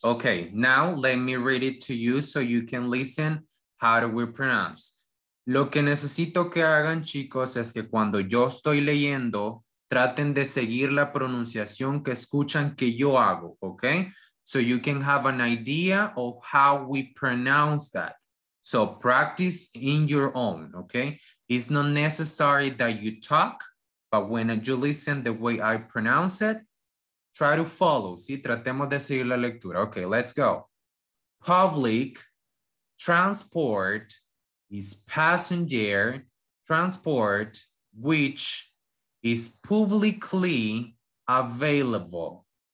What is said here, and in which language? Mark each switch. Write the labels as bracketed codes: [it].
[en] Okay, now let me read it to you so you can listen how do we pronounce. [es] Lo que necesito que hagan, chicos, es que cuando yo estoy leyendo, traten de seguir la pronunciación que escuchan que yo hago, okay? [en] So you can have an idea of how we pronounce that. So practice in your own, okay? It's not necessary that you talk, but when you listen the way I pronounce it, try to follow, ¿sí? Tratemos de seguir la lectura. Okay, let's go. Public transport is passenger transport, which is publicly available.